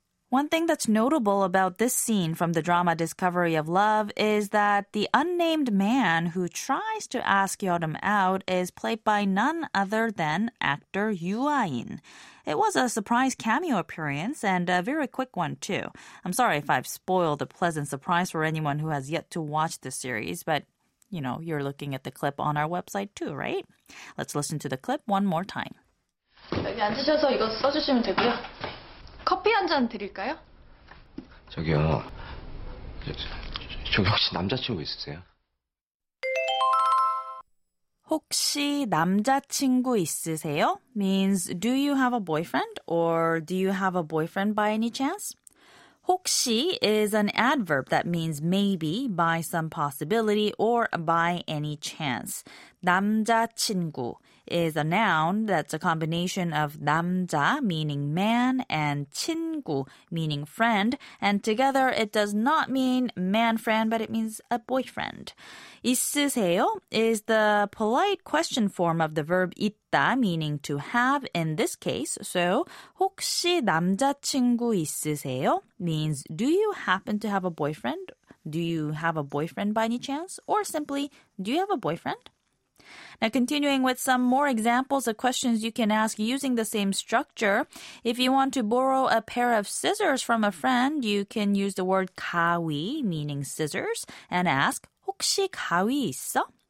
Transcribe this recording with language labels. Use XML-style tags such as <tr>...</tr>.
<en>One thing that's notable about this scene from the drama Discovery of Love is that the unnamed man who tries to ask Yeoreum out is played by none other than actor Yoo Ah-in. It was a surprise cameo appearance and a very quick one too. I'm sorry if I've spoiled a pleasant surprise for anyone who has yet to watch the series, but you know, you're looking at the clip on our website too, right? Let's listen to the clip one more time.</en> <ko>여기 앉으셔서 이거 써주시면 되고요. 커피 한 잔 드릴까요? 저기요. 저기 혹시 남자친구 있으세요? 혹시 남자친구 있으세요?</ko> <en>Means, do you have a boyfriend? Or do you have a boyfriend by any chance? 혹시 is an adverb that means maybe, by some possibility, or by any chance. 남자친구 is a noun that's a combination of 남자, meaning man, and 친구, meaning friend. And together, it does not mean man-friend, but it means a boyfriend. 있으세요 is the polite question form of the verb 있다, meaning to have in this case. So,</en> <ko>혹시 남자친구 있으세요?</ko> <en>Means, do you happen to have a boyfriend? Do you have a boyfriend by any chance? Or simply, do you have a boyfriend? Now, continuing with some more examples of questions you can ask using the same structure, if you want to borrow a pair of scissors from a friend, you can use the word 가위, meaning scissors, and ask,</en> <ko>혹시 가위 있어?</ko>